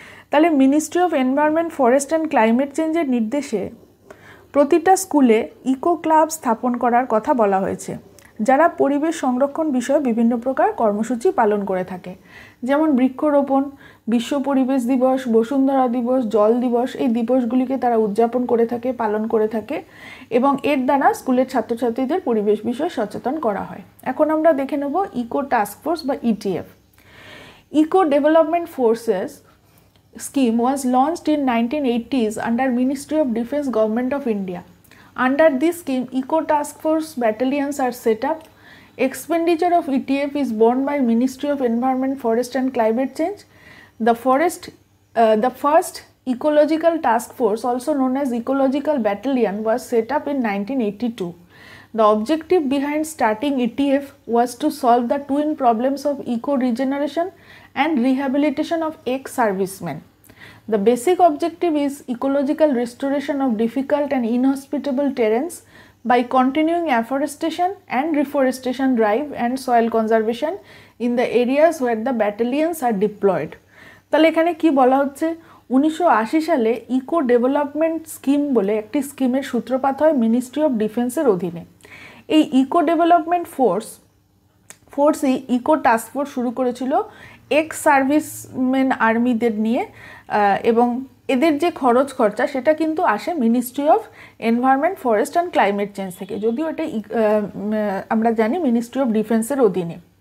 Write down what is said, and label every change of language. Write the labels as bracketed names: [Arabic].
[Bangla] তাহলে ministry of environment forest and climate চেঞ্জের নির্দেশে প্রতিটা স্কুলে ইকো ক্লাব স্থাপন করার কথা বলা হয়েছে, যারা পরিবেশ সংরক্ষণ বিষয়ে বিভিন্ন প্রকার কর্মসূচি পালন করে থাকে, যেমন বৃক্ষরোপণ, বিশ্ব পরিবেশ দিবস, বসুন্ধরা দিবস, জল দিবস, এই দিবসগুলিকে তারা উদযাপন করে থাকে, পালন করে থাকে, এবং এর দ্বারা স্কুলের ছাত্রছাত্রীদের পরিবেশ বিষয়ে সচেতন করা হয়। এখন আমরা দেখে নেব ইকো টাস্ক ফোর্স বা ETF. [English] Eco development forces scheme was launched in 1980s under ministry of defence government of India. Under this scheme, Eco Task Force battalions are set up. Expenditure of ETF is borne by Ministry of Environment, Forest and Climate Change. The first Ecological Task Force, also known as Ecological Battalion, was set up in 1982. The objective behind starting ETF was to solve the twin problems of eco-regeneration and rehabilitation of ex-servicemen. The basic objective is ecological restoration of difficult and inhospitable terrains by continuing afforestation and reforestation drive and soil conservation in the areas where the battalions are deployed. [Bangla] তাহলে এখানে কি বলা হচ্ছে, 1980 সালে eco development scheme বলে একটি স্কিমের সূত্রপাত হয় মিনিস্ট্রি অফ ডিফেন্সের অধীনে। এই ইকো ডেভেলপমেন্ট ফোর্সই ইকো টাস্কফোর্স শুরু করেছিল এক্স সার্ভিসম্যান আর্মিদের নিয়ে, এবং এদের যে খরচ খরচা সেটা কিন্তু আসে ministry of environment forest and climate change থেকে, যদিও এটা আমরা জানি মিনিস্ট্রি অফ ডিফেন্সের অধীনে।